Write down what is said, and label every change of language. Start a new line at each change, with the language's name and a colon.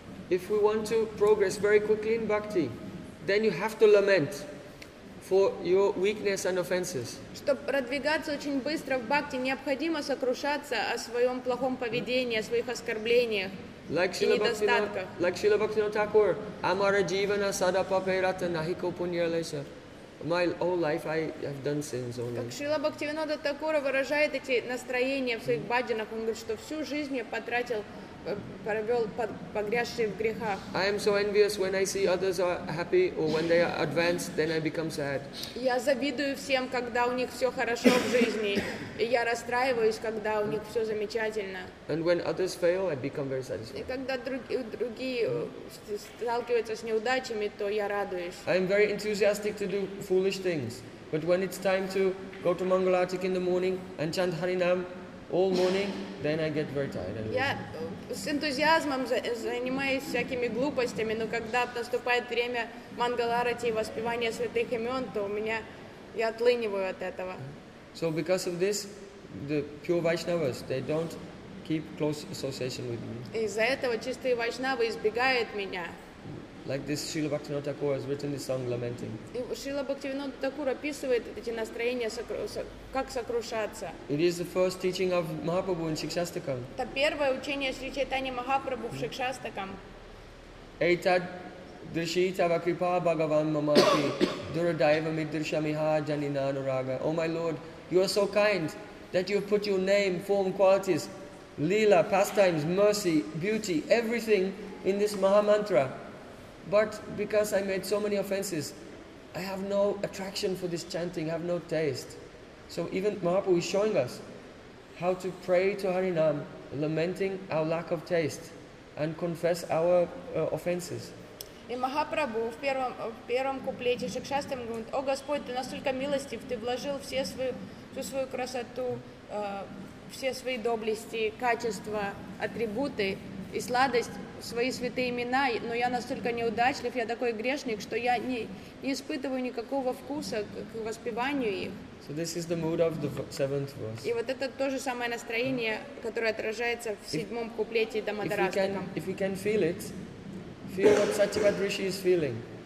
English: If we want to progress very quickly in bhakti, then you have to lament for your weakness and offenses.
Russian: Чтобы продвигаться очень быстро в бхакти, необходимо сокрушаться о своем плохом поведении, о своих оскорблениях и недостатках.
English: Like Srila Bhaktivinoda Thakur,
Bangla: Amara Jivana Sadapaperata Nahiko Punyalesha.
English: My whole life I have done sins only.
Russian: Как Шрила Бхактивинода Такура выражает эти настроения в своих бхаджанах, он говорит, что всю жизнь я потратил, провел погрязший в грехах.
English: I am so envious when I see others are happy or when they are advanced, then I become sad.
Russian: Я завидую всем, когда у них все хорошо в жизни, и я расстраиваюсь, когда у них все замечательно.
English: And when others fail, I become very satisfied.
Russian: И когда другие сталкиваются с неудачами, то я радуюсь.
English: I am very enthusiastic to do foolish things, but when it's time to go to Mangalartik in the morning and chant Harinam all morning, then I get very tired.
Russian: Я с энтузиазмом занимаюсь всякими глупостями, но когда наступает время Мангаларати и воспевания святых имен, то у меня я отлыниваю от этого.
English: So because of this, the pure Vaishnavas, they don't keep close association with me.
Russian: Из-за этого чистые вайшнавы избегают меня.
English: Like this, Srila Bhaktivinoda Thakur has written this song lamenting.
Russian: Srila Bhaktivinoda Thakur описывает эти настроения, как сокрушаться.
English: It is the first teaching of Mahaprabhu in Shikshastakam.
Russian: Это первое учение Шри Чайтани Махапрабху в Шикшастакам.
Sanskrit: Этад дришитава крипа бхагаван мамапи дурадайва мидршамиха джанина анурага.
English: Oh my Lord, you are so kind that you have put your name, form, qualities, lila, pastimes, mercy, beauty, everything in this Maha Mantra. But because I made so many offenses, I have no attraction for this chanting, I have no taste. So even Mahaprabhu is showing us how to pray to Harinam, lamenting our lack of taste, and confess our offenses.
Russian: И Махапрабху в первом куплете Шикшастам говорит: «О Господь, Ты настолько милостив, Ты вложил всю свою красоту, все свои доблести, качества, атрибуты и сладость, свои святые имена, но я настолько неудачлив, я такой грешник, что я не испытываю никакого вкуса к воспеванию их».
English: So this is the mood of the seventh verse.
Russian: И вот это то же самое настроение, которое отражается в седьмом куплете Дамодарастакам.
English: If you can feel it, feel what Satyavad Rishi is feeling.